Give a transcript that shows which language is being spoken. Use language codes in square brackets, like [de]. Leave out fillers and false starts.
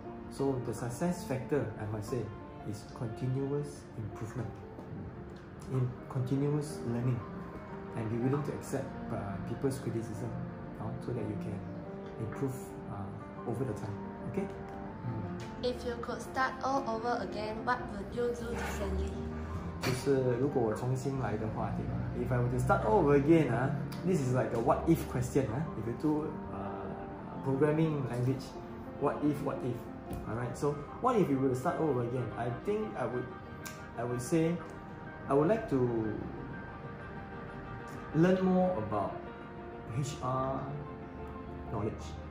[en] So the success factor, I must say, is continuous improvement, in continuous learning. and be willing to accept people's criticism, so that you can improve over the time. Okay? If you could start all over again, what would you do differently? [zh] 就是如果我重新来的话，对吧？ [en] If I were to start all over again, this is like a what if question. If you do programming language, what if, alright? So what if you were to start all over again? I think I would say, I would like to learn more about HR knowledge.